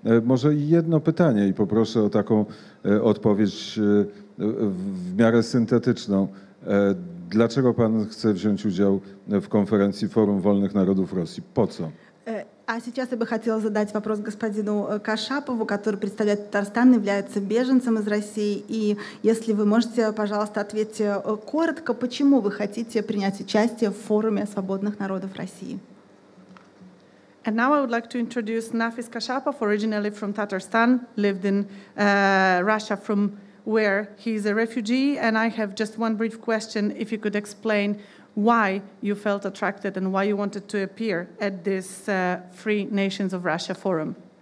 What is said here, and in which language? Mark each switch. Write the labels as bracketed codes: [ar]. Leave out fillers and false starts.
[pl] Może jedno pytanie i poproszę o taką odpowiedź w miarę syntetyczną. Dlaczego pan chce wziąć udział w konferencji Forum Wolnych Narodów Rosji? Po co? [ru] А сейчас я бы хотела задать вопрос господину Кашапову, который представляет Татарстан, является беженцем из России. И если вы можете, пожалуйста, ответьте коротко, почему вы хотите принять участие в Форуме Свободных Народов России? [en] And now I would like to introduce Nafis Kashapov, originally from Tatarstan, lived in Russia, from where he is a refugee. And I have just one brief question, if you could explain why you felt attracted and why you wanted to appear at this Free Nations of Russia forum.